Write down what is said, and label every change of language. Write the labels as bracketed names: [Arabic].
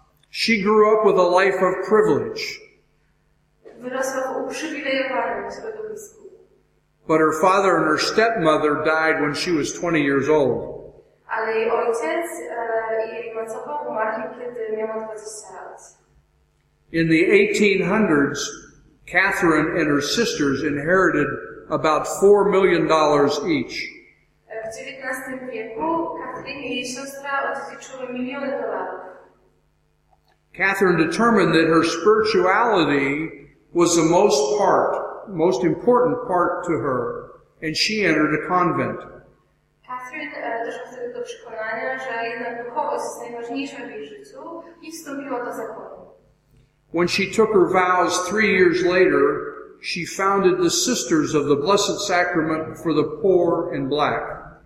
[English] She grew up with a life of privilege. [Polish] Wyrosła w uprzywilejowanym środowisku. [English] But her father and her stepmother died when she was 20 years old. [Polish] Ale jej ojciec i jej macocha umarli, kiedy miała 20 lat. [English] In the 1800s, Catherine and her sisters inherited about $4 million each. [Polish] W XIX wieku Catherine i jej siostra odziedziczyły miliony dolarów. [English] Catherine determined that her spirituality was the most important part to her, and she entered a convent. [Polish] Catherine doszła wtedy do przekonania, że jednak duchowość jest najważniejsza w jej życiu i wstąpiła do zakonu. [English] When she took her vows 3 years later, she founded the Sisters of the Blessed Sacrament for the Poor and Black.